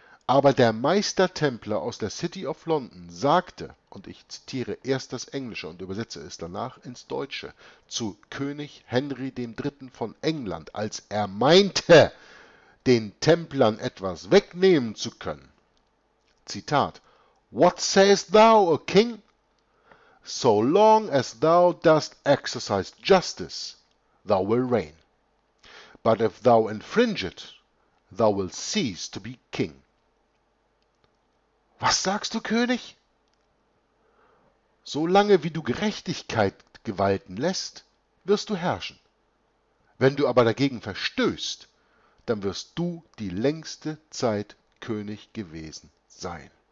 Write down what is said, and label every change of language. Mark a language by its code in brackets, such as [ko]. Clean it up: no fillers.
[de] Aber der Meistertempler aus der City of London sagte, und ich zitiere erst das Englische und übersetze es danach ins Deutsche, zu König Henry dem Dritten von England, als er meinte, den Templern etwas wegnehmen zu können. [en] Zitat: What sayest thou, O King? So long as thou dost exercise justice, thou will reign. But if thou infringe it, thou will cease to be King. [de] Was sagst du, König? Solange wie du Gerechtigkeit gewalten lässt, wirst du herrschen. Wenn du aber dagegen verstößt, dann wirst du die längste Zeit König gewesen sein.